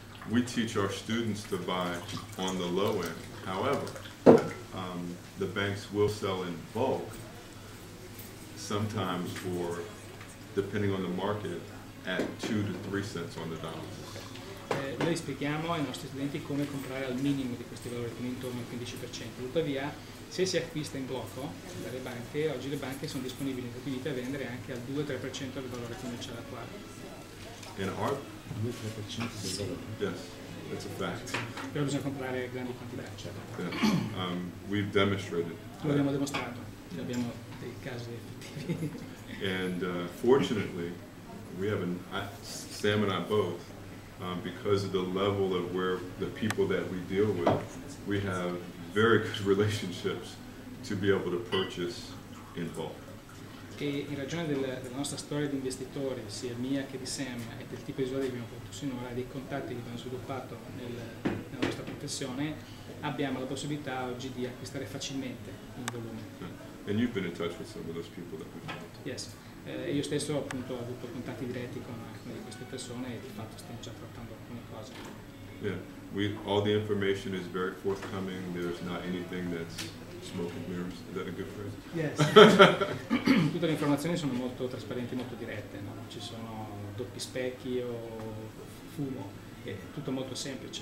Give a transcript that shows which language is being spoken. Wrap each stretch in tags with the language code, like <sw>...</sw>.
<en>we teach our students to buy on the low end. However, the banks will sell in bulk, sometimes for, depending on the market, at 2 to 3 cents on the dollar.</en> <it>Noi spieghiamo ai nostri studenti come comprare al minimo di questi valori, quindi intorno al 15%. Tuttavia, se si acquista in blocco dalle banche, oggi le banche sono disponibili in Italia a vendere anche al 2-3% del valore commerciale attuale.</it> <en>In art?</en> <it>2-3% del valore.</it> <en>Yes, that's a fact.</en> <it>Però bisogna comprare grandi quantità, certo.</it> <en>Yeah. We've demonstrated.</en> <it>Lo abbiamo dimostrato, abbiamo dei casi effettivi.</it> <en>And fortunately, we have Sam and I both, because of the level of where the people that we deal with, we have very good relationships to be able to purchase in bulk.</en> <it>Che in ragione della nostra storia di investitori, sia mia che di Sam, e del tipo di risultati che abbiamo fatto sinora, dei contatti che abbiamo sviluppato nella nostra professione, abbiamo la possibilità oggi di acquistare facilmente in volume.</it> <en>And you've been in touch with some of those people that we've met. Yes.</en> <it>Io stesso appunto ho avuto contatti diretti con alcune di queste persone e di fatto stiamo già trattando alcune cose.</it> <en>Yeah, all the information is very forthcoming, there's not anything that's smoke and mirrors. Is that a good phrase? Yes.</en> <it>Tutte le informazioni sono molto trasparenti, molto dirette, no? Non ci sono doppi specchi o fumo, è tutto molto semplice.</it>